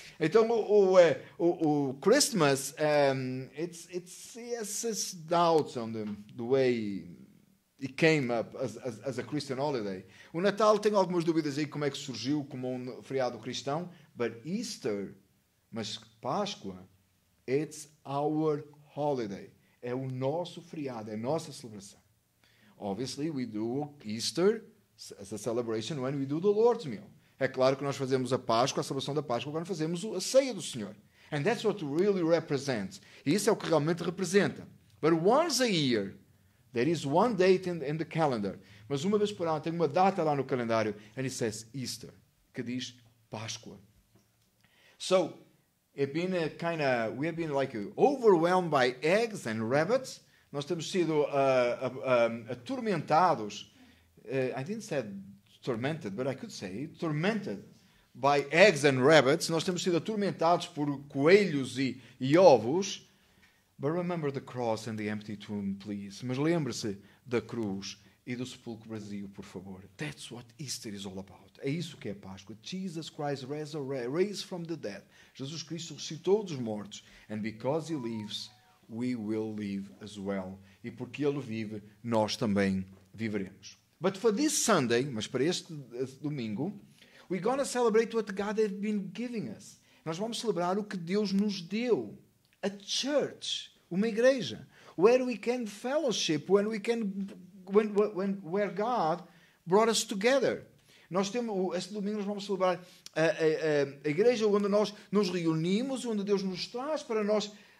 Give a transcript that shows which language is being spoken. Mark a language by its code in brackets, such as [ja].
[pt] Então, o [en] Christmas, it's this doubt on the way it came up as a Christian holiday. [pt] O Natal tem algumas dúvidas aí como é que surgiu como um feriado cristão. [en] But Easter, [pt] mas Páscoa, [en] it's our holiday. [pt] É o nosso feriado, é a nossa celebração. [en] Obviously, we do Easter as a celebration when we do the Lord's Meal. [pt] É claro que nós fazemos a Páscoa, a celebração da Páscoa, quando fazemos a ceia do Senhor. [en] And that's what really represents. [pt] E isso é o que realmente representa. [en] But once a year, there is one date in the calendar. [pt] Mas uma vez por ano, tem uma data lá no calendário, [en] and it says Easter, [pt] que diz Páscoa. [en] So, we have been like overwhelmed by eggs and rabbits. [pt] Nós temos sido atormentados. [en] I didn't say tormented, but I could say tormented by eggs and rabbits. [pt] Nós temos sido atormentados por coelhos e ovos. [en] But remember the cross and the empty tomb, please. [pt] Mas lembre-se da cruz e do sepulcro vazio, por favor. [en] That's what Easter is all about. [pt] É isso que é Páscoa. [en] Jesus Christ raised from the dead. [pt] Jesus Cristo ressuscitou dos mortos. [en] And because he lives, we will live as well. [pt] E porque ele vive, nós também viveremos. [en] But for this Sunday, [pt] mas para este domingo, [en] we're going to celebrate what God has been giving us. [pt] Nós vamos celebrar o que Deus nos deu. [en] A church, [pt] uma igreja. [en] Where we can fellowship, where God brought us together. [pt] Nós temos, este domingo nós vamos celebrar a igreja onde nós nos reunimos, onde Deus nos traz para nós.